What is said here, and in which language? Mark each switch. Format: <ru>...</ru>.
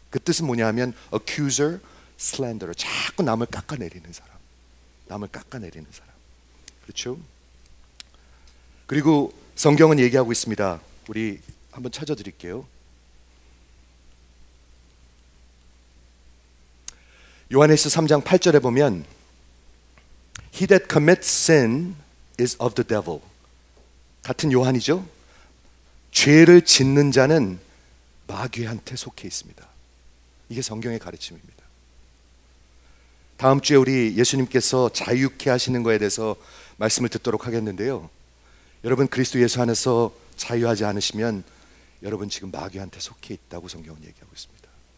<ko>그 뜻은 뭐냐 하면 accuser, slanderer, 자꾸 남을 깎아내리는 사람. 남을 깎아내리는 사람. 그렇죠? 그리고 성경은 얘기하고 있습니다. 우리 한번 찾아드릴게요. 요한일서 3장 8절에 보면</ko> <en>He that commits sin is of the devil.</en> <ko>같은 요한이죠? 죄를 짓는 자는 마귀한테 속해 있습니다. 이게 성경의 가르침입니다. 다음 주에 우리 예수님께서 자유케 하시는 것에 대해서 말씀을 듣도록 하겠는데요. 여러분 그리스도 예수 안에서 자유하지 않으시면 여러분 지금 마귀한테 속해 있다고 성경은 얘기하고 있습니다.</ko>